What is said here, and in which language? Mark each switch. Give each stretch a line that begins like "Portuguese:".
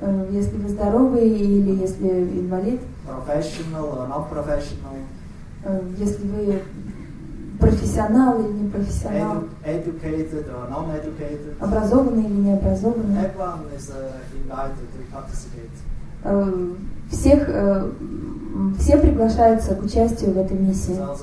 Russian: Если вы здоровы или если инвалид.
English: Professional or not professional.
Russian: Если вы профессионал или непрофессионал.
English: Educated or non-educated.
Russian: Образованный или необразованный.
English: Everyone is invited to participate.
Russian: Всех, все приглашаются к участию в этой миссии.